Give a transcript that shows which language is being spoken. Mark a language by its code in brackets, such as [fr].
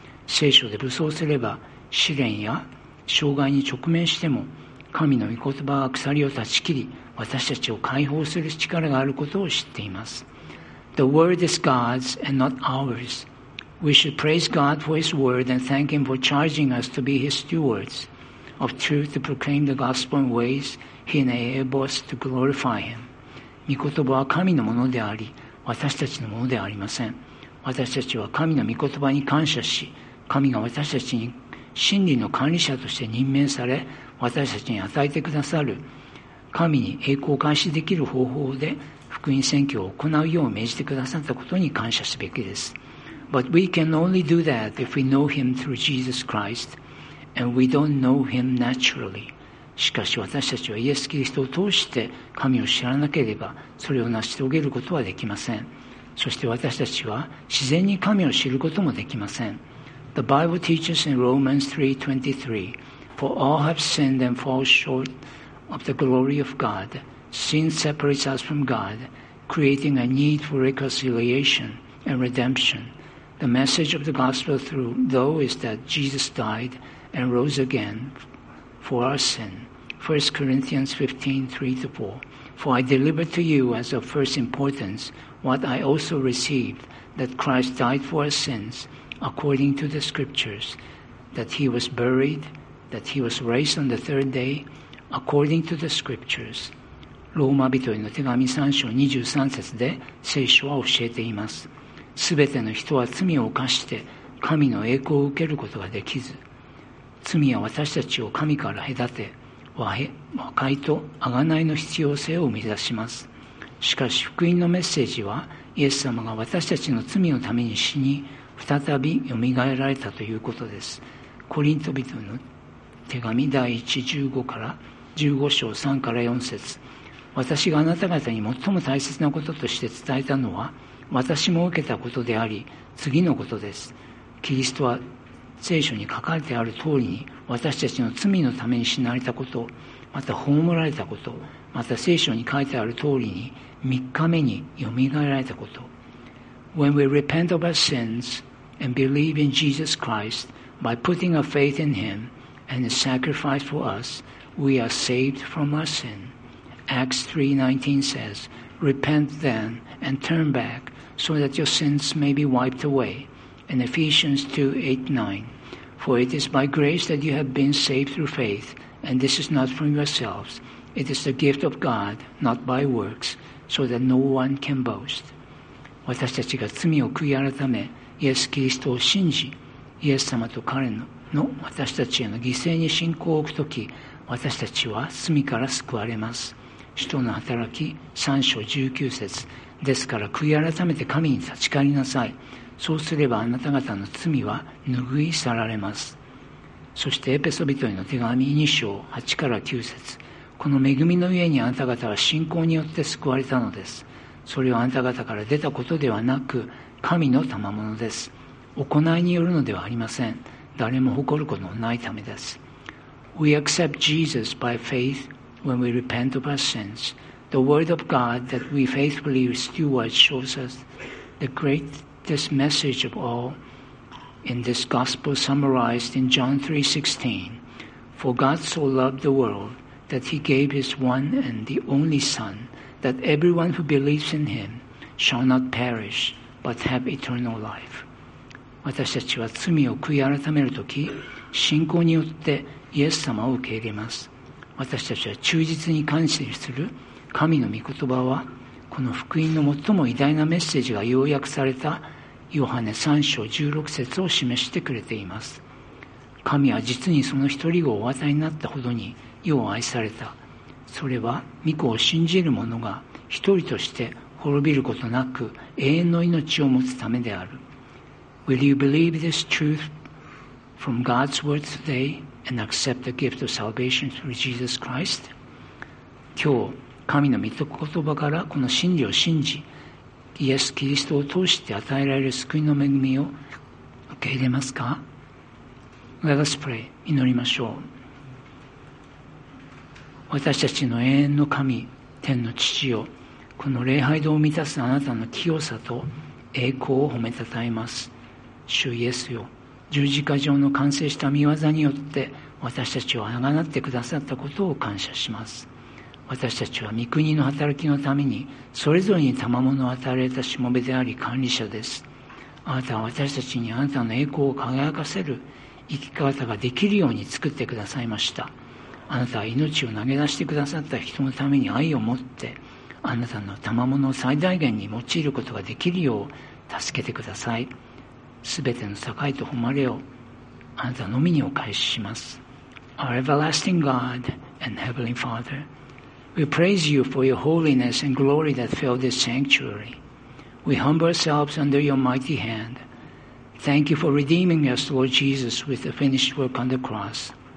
[ja] 聖書で武装すれば、試練や障害に直面しても、神の御言葉は鎖を断ち切り、私たちを解放する力があることを知っています。 [en] The word is God's and not ours. We should praise God for His Word and thank Him for charging us to be His stewards of truth to proclaim the gospel in ways He enables us to glorify Him. [ja] 御言葉は神のものであり、私たちのものではありません。私たちは神の御言葉に感謝し、神が私たちに真理の管理者として任命され、私たちに与えてくださる神に栄光を開始できる方法で福音宣教を行うよう命じてくださったことに感謝すべきです。 [en] But we can only do that if we know Him through Jesus Christ, and we don't know Him naturally. [ja] しかし私たちはイエス・キリストを通して神を知らなければそれを成し遂げることはできません。そして私たちは自然に神を知ることもできません。 [en] The Bible teaches in Romans 3:23, For all have sinned and fall short of the glory of God. Sin separates us from God, creating a need for reconciliation and redemption. The message of the gospel through, though, is that Jesus died and rose again for our sin. 1 Corinthians 15, 3-4 For I delivered to you as of first importance what I also received, that Christ died for our sins, according to the scriptures, that he was buried, that he was raised on the third day, according to the scriptures. [ja] ローマ人への手紙3章23節で聖書は教えています。すべての人は罪を犯して神の栄光を受けることができず、罪は私たちを神から隔て、和解と贖いの必要性を生み出します。しかし福音のメッセージは、イエス様が私たちの罪のために死に、再び蘇られたということです。コリント人の手紙第1:15-15:3-4節。私があなた方に最も大切なこととして伝えたのは、私も受けたことであり、次のことです。キリストは聖書に書かれてある通りに、私たちの罪のために死なれたこと、また葬られたこと、また聖書に書いてある通りに、3日目によみがえられたこと。 [en] When we repent of our sins and believe in Jesus Christ by putting our faith in Him and His sacrifice for us, we are saved from our sin. Acts 3:19 says,Repent then and turn back so that your sins may be wiped away. And Ephesians 2:8-9. For it is by grace that you have been saved through faith, and this is not from yourselves. It is the gift of God, not by works, so that no one can boast. [ja] 私たちが罪を悔い改め、イエス・キリストを信じ、イエス様と彼のの私たちへの犠牲に信仰を置くとき、私たちは罪から救われます。使徒の働き3章19節ですから、悔い改めて神に立ち返りなさい。そうすればあなた方の罪は拭い去られます。そしてエペソ人への手紙2章8から9節この恵みの上にあなた方は信仰によって救われたのです。それはあなた方から出たことではなく、神の賜物です。行いによるのではありません。誰も誇ることのないためです。 [en] We accept Jesus by faith when we repent of our sins. The word of God that we faithfully steward shows us the greatest message of all in this gospel summarized in John 3:16. For God so loved the world that he gave his one and the only Son, that everyone who believes in him shall not perish but have eternal life. [ja] 私たちは罪を悔い改めるとき、信仰によってイエス様を受け入れます。私たちは忠実に感謝する神の御言葉は、この福音の最も偉大なメッセージが要約されたヨハネ3章16節を示してくれています。神は実にその一人をお与えになったほどに世を愛された。それは御子を信じる者が一人として滅びることなく永遠の命を持つためである。 [en] Will you believe this truth from God's word today and accept the gift of salvation through Jesus Christ? [ja] 今日、神の御言葉からこの真理を信じ、イエス・キリストを通して与えられる救いの恵みを受け入れますか? [en] Let us pray. [ja] 祈りましょう。私たちの永遠の神、天の父よ、この礼拝堂を満たすあなたの清さと栄光を褒めたたえます。主イエスよ、十字架上の完成した御業によって私たちをあがなってくださったことを感謝します。私たちは御国の働きのためにそれぞれに賜物を与えられたしもべであり管理者です。あなたは私たちにあなたの栄光を輝かせる生き方ができるように作ってくださいました。あなたは命を投げ出してくださった人のために愛を持って、あなたの賜物を最大限に用いることができるよう助けてください。すべての栄えと誉れをあなたのみにお返しします。 [en] Our everlasting God and Heavenly Father, we praise you for your holiness and glory that fill this sanctuary. We humble ourselves under your mighty hand. Thank you for redeeming us, Lord Jesus, with the finished work on the cross.